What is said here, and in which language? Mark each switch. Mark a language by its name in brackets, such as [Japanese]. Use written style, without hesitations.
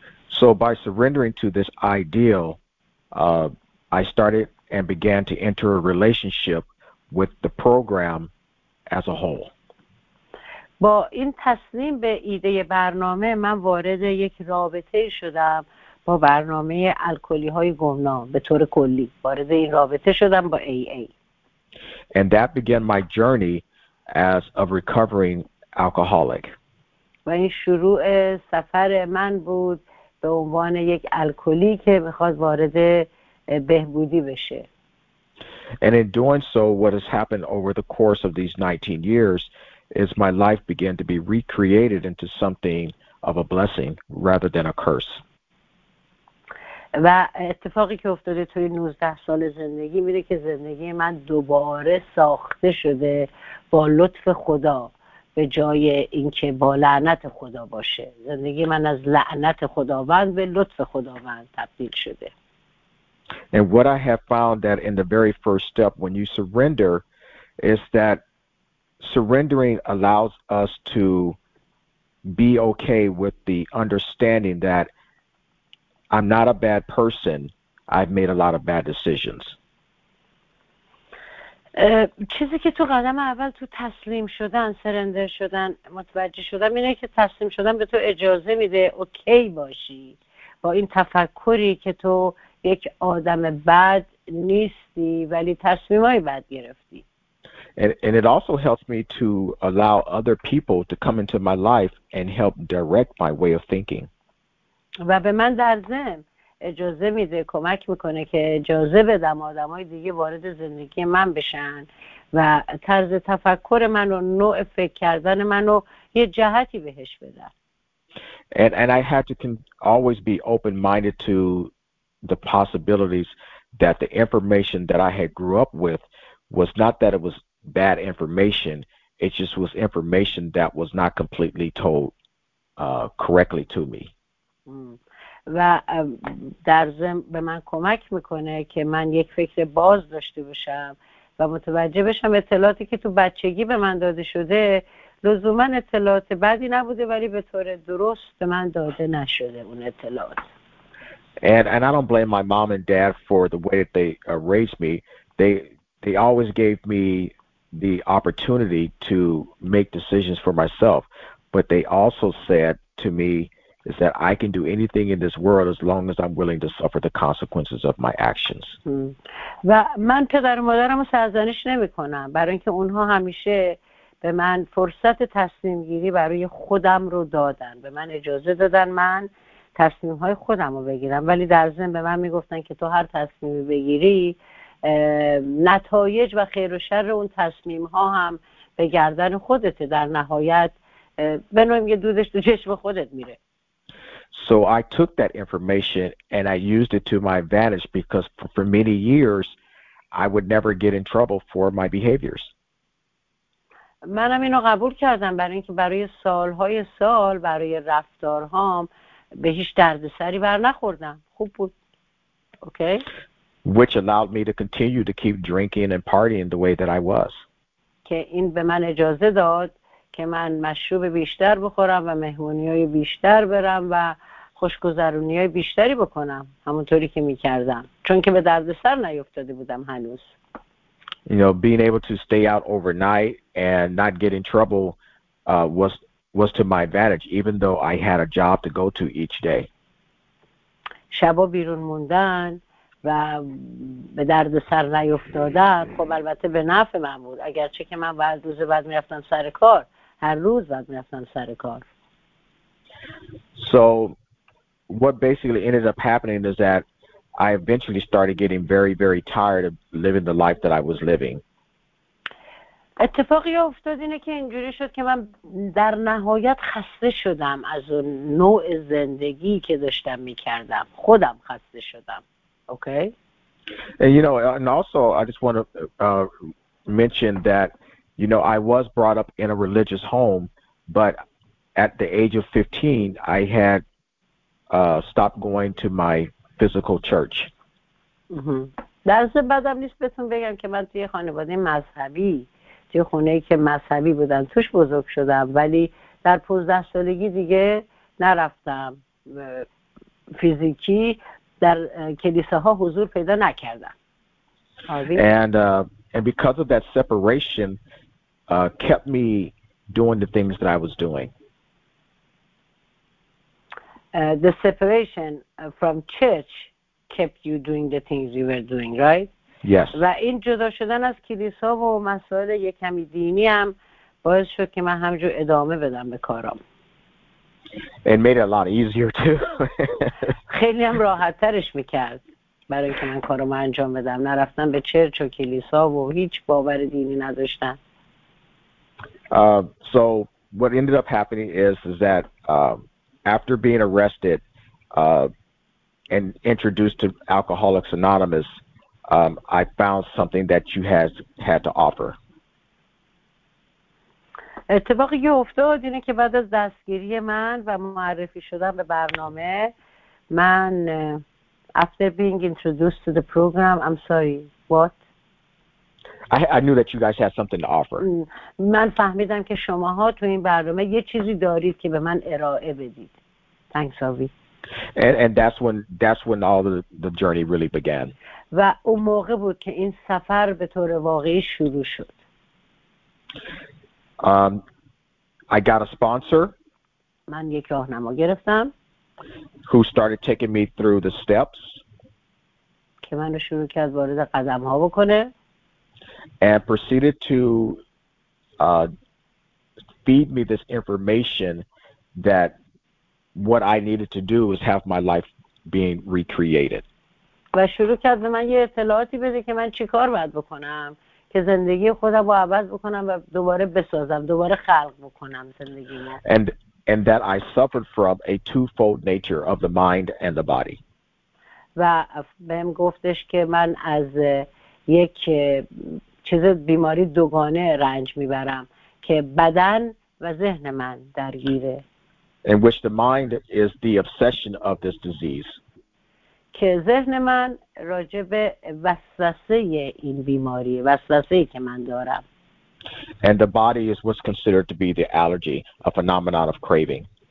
[English] So by surrendering to this ideal, I started and began to enter a relationship with the program as a whole. [Persian] با این تسلیم به ایده برنامه من وارد یک رابطه شدم با برنامه الکلی‌های گمنام به طور کلی وارد این رابطه شدم با AA. [English] And that began my journey as a recovering alcoholic. [Persian] و این شروع سفر من بود به عنوان یک الکلی که می‌خواد وارد بهبودی بشه. [English] And in doing so, what has happened over the course of these 19 years is my life began to be recreated into something of a blessing rather than a curse. [Persian] و اتفاقی که افتاده توی 19 سال زندگی میده که زندگی من دوباره ساخته شده با لطف خدا به جای اینکه با لعنت خدا باشه. زندگی من از لعنت خداوند به لطف خداوند تبدیل شده. [English] And what I have found that in the very first step when you surrender is that surrendering allows us to be okay with the understanding that I'm not a bad person, I've made a lot of bad decisions. [Persian] چیزی که تو قدم اول تو تسلیم شدن سرندر شدن متوجه شدم اینه که تسلیم شدن به تو اجازه میده اوکی باشی با این تفکری که تو یک آدم بد نیستی ولی تصمیمای بد گرفتی. [English] And it also helps me to allow other people to come into my life and help direct my way of thinking. [Persian] و به من در ذهن اجازه میده، کمک میکنه که اجازه بدم آدمای دیگه وارد زندگی من بشن و طرز تفکر منو، نوع فکر کردن منو یه جهتی بهش بدن. [English] And I had to always be open-minded to the possibilities that the information that I had grew up with was not that it was bad information, it just was information that was not completely told correctly to me. [Persian] و در زم به من کمک میکنه که من یک فکر باز داشته باشم و متوجه بشم اطلاعاتی که تو بچگی به من داده شده لزوما اطلاعات بدی نبوده ولی به طور درست به من داده نشده اون اطلاعات. [English] And I don't blame my mom and dad for the way that they raised me. They always gave me the opportunity to make decisions for myself, but they also said to me is that I can do anything in this world as long as I'm willing to suffer the consequences of my actions. [Persian] و من پدر و مادرمو سرزنش نمی‌کنم برای اینکه اونها همیشه به من فرصت تصمیم گیری برای خودم رو دادن، به من اجازه دادن من تصمیم های خودم رو بگیرم، ولی در ضمن به من میگفتن که تو هر تصمیمی بگیری نتایج و خیر و شر اون تصمیم ها هم به گردن خودته، در نهایت به نوعی میگه دودش تو چشم خودت میره. [English] So I took that information and I used it to my advantage because for many years I would never get in trouble for my behaviors. [Persian] منم اینو قبول کردم برای اینکه برای سالهای سال برای رفتارهام به هیچ دردسری بر نخوردم. خوب بود. [English] Okay. Which allowed me to continue to keep drinking and partying the way that I was. [Persian] که این به من اجازه داد که من مشروب بیشتر بخورم و مهمونی‌های بیشتر برم و خوشگذرونی‌های بیشتری بکنم همونطوری که می‌کردم، چون که به دردسر نیفتاده بودم هنوز. [English] You know, being able to stay out overnight and not get in trouble was to my advantage, even though I had a job to go to each day. [Persian] شبا بیرون موندن و به درد سر نیفتادن خب البته به نفع من بود، اگرچه که من بعد روز بعد میرفتم سر کار، هر روز بعد میرفتم سر کار. [English] So what basically ended up happening is that I eventually started getting very, very tired of living the life that I was living. [Persian] اتفاقی افتاد اینه که اینجوری شد که من در نهایت خسته شدم از اون نوع زندگی که داشتم میکردم. خودم خسته شدم. [English] Okay. And you know, and also I just want to mention that, you know, I was brought up in a religious home, but at the age of 15, I had stopped going to my physical church. [Persian] درست بعدم نیست بهتون بگم که من توی خانواده مذهبی، توی خونه‌ای که مذهبی بودن توش بزرگ شدم، ولی در 15 سالگی دیگه نرفتم فیزیکی، در کلیساها حضور پیدا نکردم. [English] And because of that separation kept me doing the things that I was doing. The separation from church kept you doing the things you were doing, right? Yes. [Persian] و این جدا شدن از کلیسا و مسائل یکمی دینی هم باعث شد که من همجور ادامه بدم به کارام. [English] And made it a lot easier too. [Persian] خیلی هم راحت ترش میکرد برای که من کارامو انجام بدم. نرفتم به چرچ و کلیسا و هیچ باور دینی نداشتم. [English] So what ended up happening is that after being arrested and introduced to Alcoholics Anonymous, I found something that you had to offer. [Persian] اتفاقی که افتاد اینه که بعد از دستگیری من و معرفی شدن به برنامه، من [English] after being introduced to the program, I'm sorry, what? I knew that you guys had something to offer. [Persian] من فهمیدم که شماها تو این برنامه یه چیزی دارید که به من ارائه بدید. [English] Thanks, Harvey. And that's when all the journey really began. [Persian] و اون موقع بود که این سفر به طور واقعی شروع شد. [English] I got a sponsor. [Persian] من یک راهنما گرفتم. [English] Who started taking me through the steps. [Persian] که منو شروع کرد وارد قدم ها بکنه. [English] And proceeded to feed me this information that what I needed to do was have my life being recreated. [Persian] و شروع کرد به من یه اطلاعاتی بده که من چی کار باید بکنم که زندگی خودم رو عوض بکنم و دوباره بسازم، دوباره خلق بکنم زندگی من. [English] And that I suffered from a twofold nature of the mind and the body. [Persian] و بهم گفتش که من از یک چیز بیماری دوگانه رنج میبرم که بدن و ذهن من درگیره. [English] In which the mind is the obsession of this disease. [Persian] که ذهن من راجع به وسوسه این بیماری، وسوسه ای که من دارم. [English] And the body is what's considered to be the allergy, a phenomenon of craving.